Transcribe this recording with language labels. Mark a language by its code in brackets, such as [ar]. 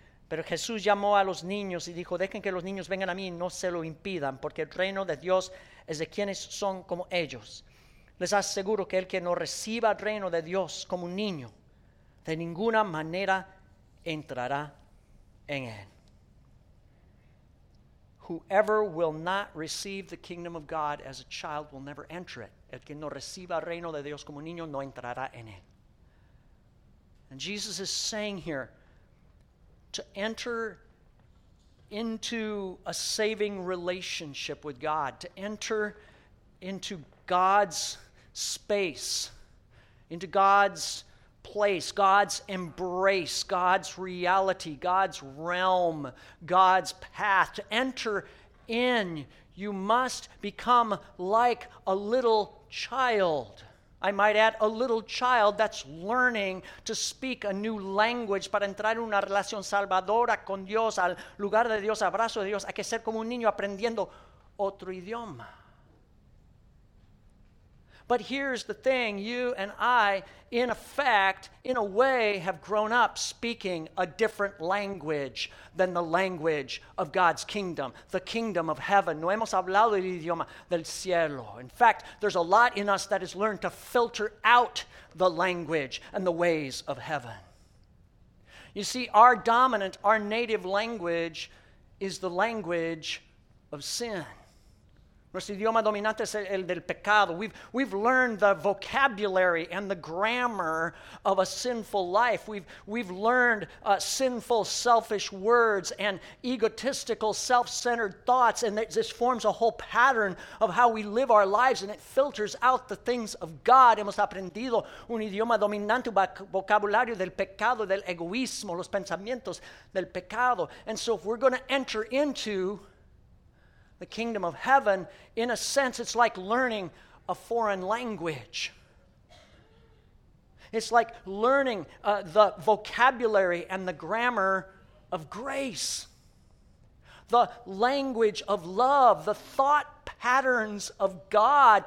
[es] Pero Jesús llamó a los niños y dijo, dejen que los niños vengan a mí y no se lo impidan, porque el reino de Dios es de quienes son como ellos. Les aseguro que el que no reciba el reino de Dios como un niño, de ninguna manera entrará en él. [en] Whoever will not receive the kingdom of God as a child will never enter it. [es] El que no reciba el reino de Dios como un niño no entrará en él. [en] And Jesus is saying here, to enter into a saving relationship with God, to enter into God's space, into God's place, God's embrace, God's reality, God's realm, God's path, to enter in, you must become like a little child. I might add, a little child that's learning to speak a new language. [es] Para entrar en una relación salvadora con Dios, al lugar de Dios, al abrazo de Dios, hay que ser como un niño aprendiendo otro idioma. [en] But here's the thing, you and I, in effect, in a way, have grown up speaking a different language than the language of God's kingdom, the kingdom of heaven. [es] No hemos hablado el idioma del cielo. [en] In fact, there's a lot in us that has learned to filter out the language and the ways of heaven. You see, our dominant, our native language is the language of sin. [es] Nuestro idioma dominante es el del pecado. [en] We've learned the vocabulary and the grammar of a sinful life. We've learned sinful, selfish words and egotistical, self-centered thoughts, and this forms a whole pattern of how we live our lives, and it filters out the things of God. [es] Hemos aprendido un idioma dominante, vocabulario del pecado, del egoísmo, los pensamientos del pecado. [en] And so if we're going to enter into the kingdom of heaven, in a sense, it's like learning a foreign language. It's like learning the vocabulary and the grammar of grace, the language of love, the thought patterns of God.